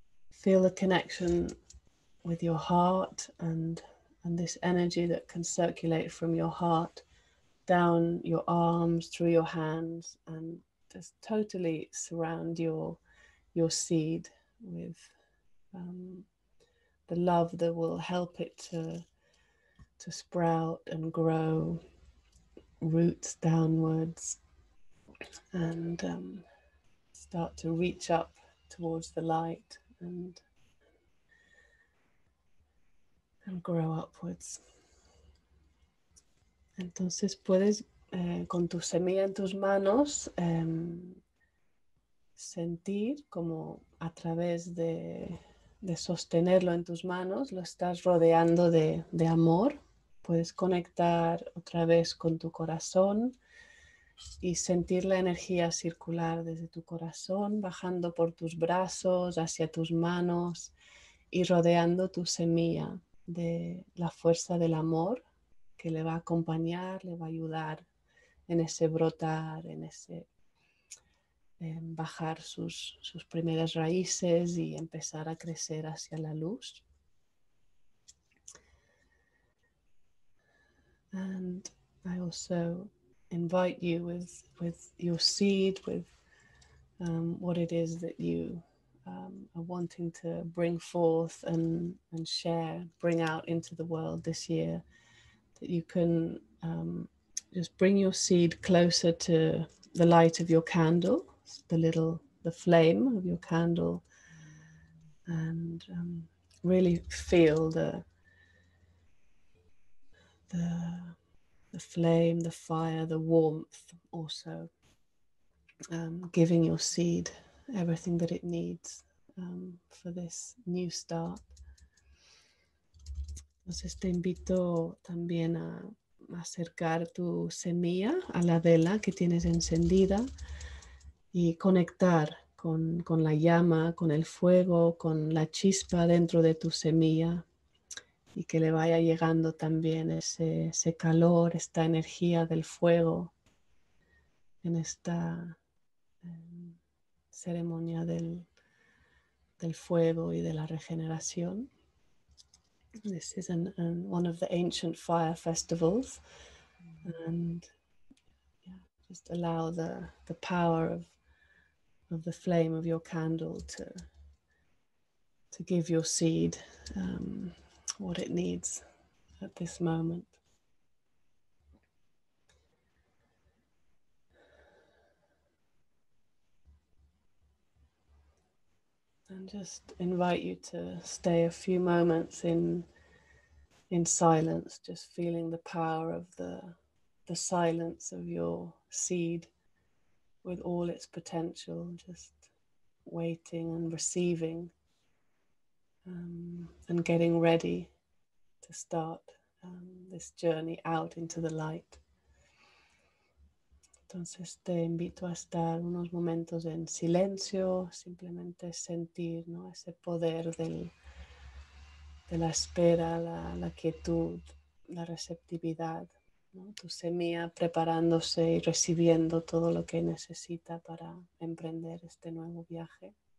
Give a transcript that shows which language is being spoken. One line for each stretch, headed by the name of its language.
English: Feel the connection with your heart and this energy that can circulate from your heart down your arms, through your hands, and just totally surround your seed with the love that will help it to sprout and grow, roots downwards, and start to reach up towards the light and grow upwards.
Spanish: Entonces puedes con tu semilla en tus manos sentir como a través de sostenerlo en tus manos, lo estás rodeando de amor. Puedes conectar otra vez con tu corazón y sentir la energía circular desde tu corazón, bajando por tus brazos, hacia tus manos y rodeando tu semilla de la fuerza del amor que le va a acompañar, le va a ayudar en ese brotar, en ese... en bajar sus primeras raíces y empezar a crecer hacia la luz.
English: And I also invite you with your seed, with what it is that you are wanting to bring forth and share, bring out into the world this year, that you can just bring your seed closer to the light of your candle, the flame of your candle, and really feel the flame, the fire, the warmth, also giving your seed everything that it needs for this new start.
Spanish: Entonces te invito también a acercar tu semilla a la vela que tienes encendida y conectar con la llama, con el fuego, con la chispa dentro de tu semilla, y que le vaya llegando también ese calor, esta energía del fuego en esta ceremonia del fuego y de la regeneración.
English: This is one of the ancient fire festivals, and yeah, just allow the power of the flame of your candle to give your seed what it needs at this moment. And just invite you to stay a few moments in silence, just feeling the power of the silence of your seed with all its potential, just waiting and receiving and getting ready to start this journey out into the light.
Spanish: Entonces te invito a estar unos momentos en silencio, simplemente sentir, ¿no?, ese poder de la espera, la quietud, la receptividad ¿no? Tu semilla preparándose y recibiendo todo lo que necesita para emprender este nuevo viaje.